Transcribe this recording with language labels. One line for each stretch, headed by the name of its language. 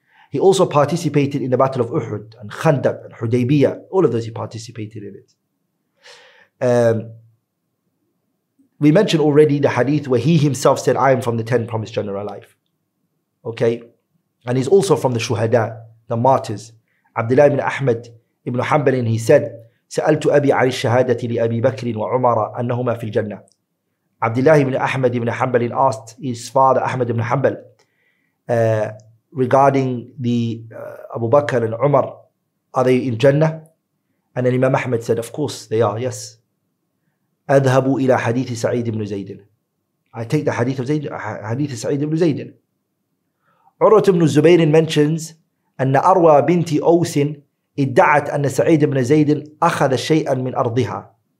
English: He also participated in the Battle of Uhud, and Khandaq, and Hudaybiyah. All of those he participated in it. We mentioned already the hadith where he himself said, I am from the 10 promised Jannah alive. Okay? And he's also from the Shuhada, the martyrs.
Arabic: Abdullah ibn Ahmad ibn Hanbal,
English: he said,
Arabic: سألت أبي عن الشهادة لأبي بكر وعمر أنهما في الجنة.
English: Abdullah ibn Ahmad ibn Hanbal asked his father, Ahmad ibn Hanbal, regarding the Abu Bakr and Umar, are they in Jannah? And then Imam Ahmad said, of course they are, yes.
Arabic: أذهبوا إلى حديث سعيد بن زيد.
English: I take the hadith of Zayd, hadith Sa'id ibn Zayd.
Arabic: Urwa ibn Zubayr mentions, أن أروى بنت أوس ادعت أن سعيد بن زيد أخذ شيئا من أرضها.